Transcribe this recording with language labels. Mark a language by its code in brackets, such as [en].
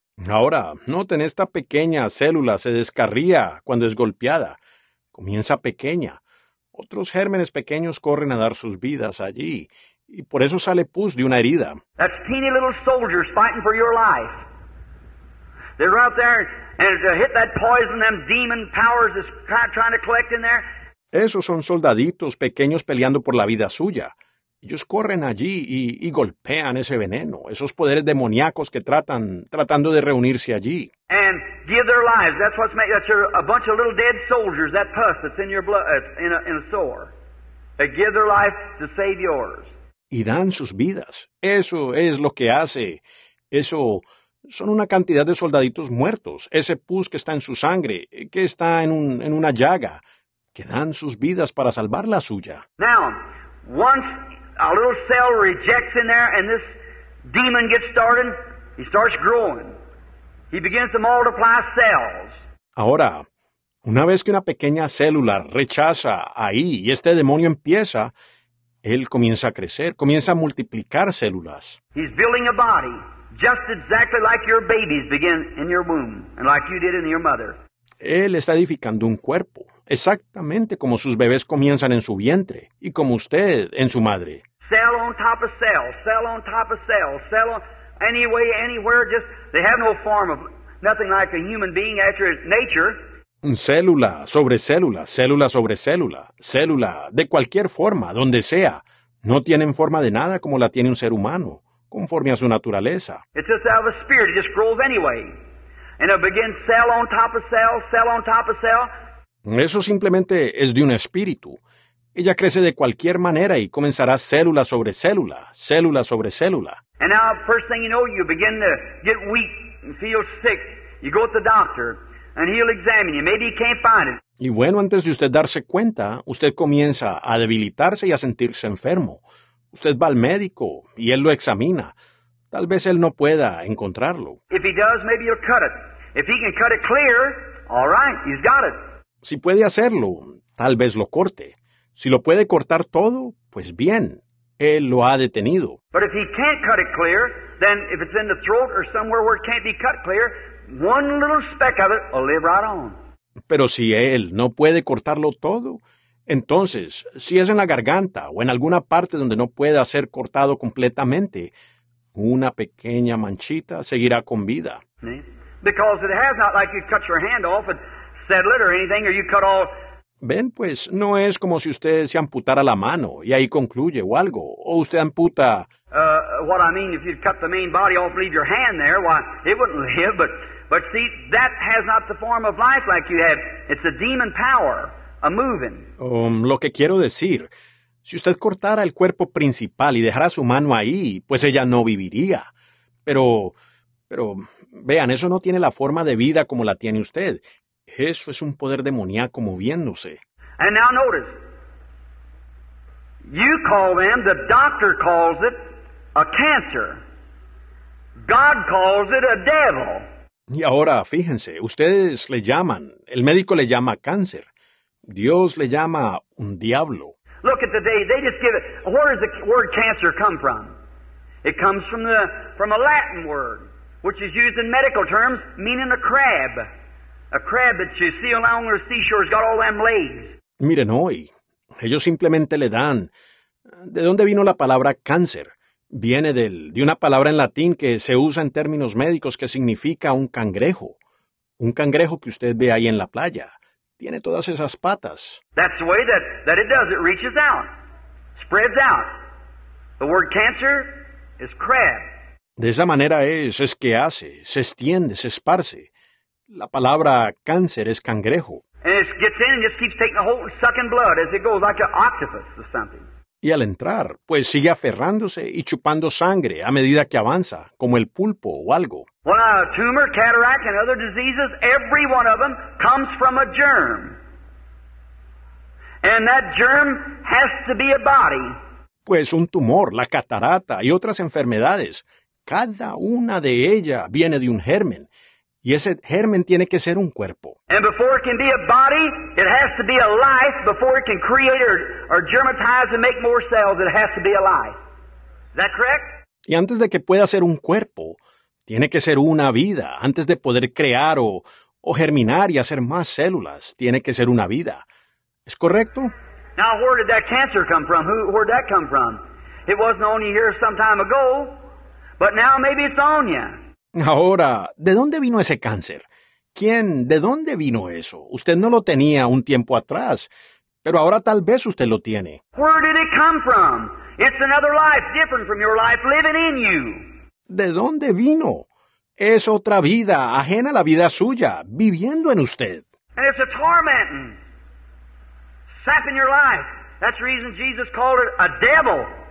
[es] Ahora, noten, esta pequeña célula se descarría cuando es golpeada. Comienza pequeña. Otros gérmenes pequeños corren a dar sus vidas allí, y por eso sale pus de una herida. [en] That's teeny little soldiers fighting for your life. They're out there, and to hit that poison, them demon powers is trying to collect in there. [es] Esos son soldaditos pequeños peleando por la vida suya. Ellos corren allí y golpean ese veneno, esos poderes demoníacos que tratando de reunirse allí. [en] And give their lives. That's a bunch of little dead soldiers, that pus that's in your blood, in a sore. They give their life to save yours. [es] Y dan sus vidas. Eso es lo que hace. Eso son una cantidad de soldaditos muertos. Ese pus que está en su sangre, que está en una llaga, que dan sus vidas para salvar la suya. [en] Now, once a little cell rejects in there and this demon gets started, he starts growing. He begins to multiply cells. [es] Ahora, una vez que una pequeña célula rechaza ahí y este demonio empieza, él comienza a crecer, comienza a multiplicar células. [en] He's building a body just exactly like your babies begin in your womb and like you did in your mother. [es] Él está edificando un cuerpo, exactamente como sus bebés comienzan en su vientre y como usted en su madre. [en] Cell on top of cell, cell on top of cell, cell on, any way, anywhere, just, they have no form of nothing like a human being after nature. [es] Célula sobre célula, célula sobre célula, célula de cualquier forma, donde sea. No tienen forma de nada como la tiene un ser humano, conforme a su naturaleza. [en] It's just out of a spirit, it just grows anyway. And it begins cell on top of cell, cell on top of cell. [es] Eso simplemente es de un espíritu. Ella crece de cualquier manera y comenzará célula sobre célula, célula sobre célula. [en] And now, first thing you know, you begin to get weak and feel sick. You go to the doctor, and he'll examine you. Maybe he can't find it. [es] Y bueno, antes de usted darse cuenta, usted comienza a debilitarse y a sentirse enfermo. Usted va al médico y él lo examina. Tal vez él no pueda encontrarlo. [en] If he does, maybe he'll cut it. If he can cut it clear, all right, he's got it. [es] Si puede hacerlo, tal vez lo corte. Si lo puede cortar todo, pues bien, él lo ha detenido. [en] But if he can't cut it clear, then if it's in the throat or somewhere where it can't be cut clear, one little speck of it will live right on. [es] Pero si él no puede cortarlo todo, entonces, si es en la garganta o en alguna parte donde no pueda ser cortado completamente, una pequeña manchita seguirá con vida. [en] Because it has not like you cut your hand off and settle it or anything, or you cut all. [es] Ven, pues, no es como si usted se amputara la mano y ahí concluye o algo. O usted amputa. [en] What I mean, if you cut the main body off, leave your hand there, why, it wouldn't live. But see, that has not the form of life like you have. It's a demon power, a moving. [es] Lo que quiero decir, si usted cortara el cuerpo principal y dejara su mano ahí, pues ella no viviría. Pero, vean, eso no tiene la forma de vida como la tiene usted. Eso es un poder demoníaco moviéndose. [en] And now notice, you call them, the doctor calls it, a cancer. God calls it a devil. [es] Y ahora, fíjense, ustedes le llaman, el médico le llama cáncer. Dios le llama un diablo. [en] Look at the day, they just give it. Where does the word cancer come from? It comes from a Latin word, which is used in medical terms, meaning a crab. A crab that you see along the seashore has got all them legs. [es] Miren hoy, ellos simplemente le dan. ¿De dónde vino la palabra cáncer? Viene de una palabra en latín que se usa en términos médicos que significa un cangrejo. Un cangrejo que usted ve ahí en la playa. Tiene todas esas patas. [en] That's the way that it does. It reaches out. Spreads out. The word cancer is crab. [es] De esa manera es que hace. Se extiende, se esparce. La palabra cáncer es cangrejo. [en] And it gets in and just keeps taking the whole, sucking blood as it goes like an octopus or something. [es] Y al entrar, pues sigue aferrándose y chupando sangre a medida que avanza, como el pulpo o algo. [en] Well, tumor, cataract, and other diseases, every one of them comes from a germ. And that germ has to be a body. [es] Pues un tumor, la catarata y otras enfermedades, cada una de ellas viene de un germen. Y ese germen tiene que ser un cuerpo. [en] And before it can be a body, it has to be a life. Before it can create or germatize and make more cells, it has to be a life. Is that correct? [es] Y antes de que pueda ser un cuerpo, tiene que ser una vida. Antes de poder crear o germinar y hacer más células, tiene que ser una vida. ¿Es correcto? [en] Now, where did that cancer come from? Where did that come from? It wasn't on you here some time ago, but now maybe it's on you. [es] Ahora, ¿de dónde vino ese cáncer? ¿Quién? ¿De dónde vino eso? Usted no lo tenía un tiempo atrás, pero ahora tal vez usted lo tiene. [en] Where did it come from? It's another life, different from your life, living in you. [es] ¿De dónde vino? Es otra vida, ajena a la vida suya, viviendo en usted. [en] And it's a tormenting, sapping your life. That's the reason Jesus called it a devil.